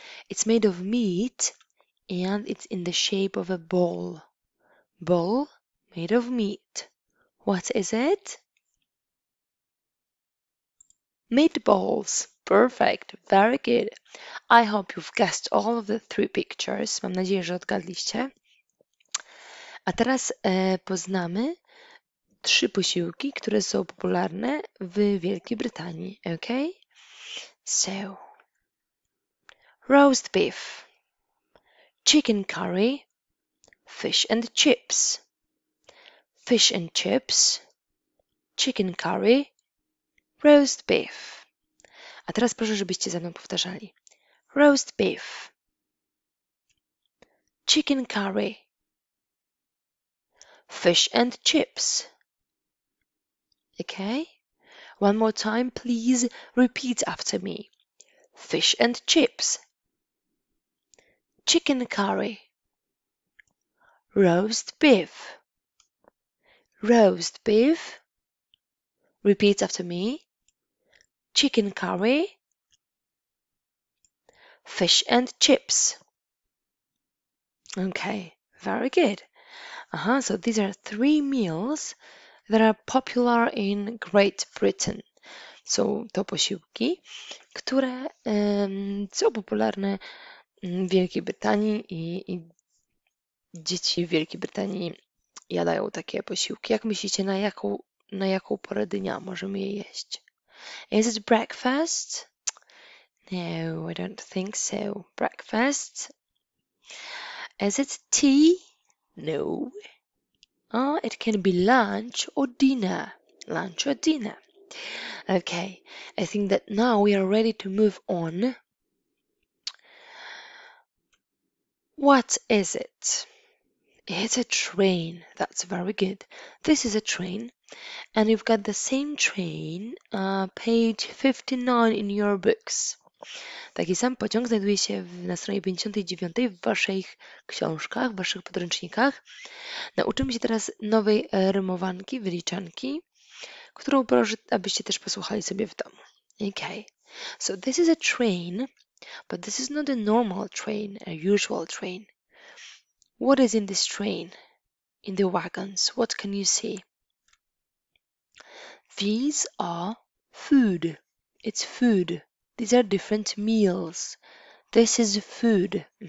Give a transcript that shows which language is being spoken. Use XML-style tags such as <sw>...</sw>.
<en>It's made of meat and it's in the shape of a ball. Bowl made of meat. What is it? Meatballs. Perfect. Very good. I hope you've guessed all of the three pictures.</en> <pl>Mam nadzieję, że odgadliście. A teraz poznamy trzy posiłki, które są popularne w Wielkiej Brytanii.</pl> <en>Ok? So, roast beef, chicken curry, fish and chips. Fish and chips, chicken curry, roast beef.</en> <pl>A teraz proszę, żebyście ze mną powtarzali.</pl> <en>Roast beef, chicken curry, fish and chips. Okay? One more time, please repeat after me. Fish and chips, chicken curry, roast beef. Roast beef. Repeat after me. Chicken curry. Fish and chips. Okay, very good. So these are three meals that are popular in Great Britain.</en> <pl>So to posiłki, które są popularne w Wielkiej Brytanii i dzieci w Wielkiej Brytanii jadają takie posiłki. Jak myślicie, na jaką porę dnia możemy je jeść?</pl> <en>Is it breakfast? No, I don't think so. Breakfast. Is it tea? No. It can be lunch or dinner. Lunch or dinner. Okay, I think that now we are ready to move on. What is it? It's a train. That's very good. This is a train. And you've got the same train, page 59 in your books.</en> <pl>Taki sam pociąg znajduje się na stronie 59 w waszych książkach, w waszych podręcznikach. Nauczymy się teraz nowej rymowanki, wyliczanki, którą proszę, abyście też posłuchali sobie w domu.</pl> <en>Okay. So this is a train. But this is not a normal train, a usual train. What is in this train, in the wagons? What can you see? These are food. It's food. These are different meals. This is food.</en>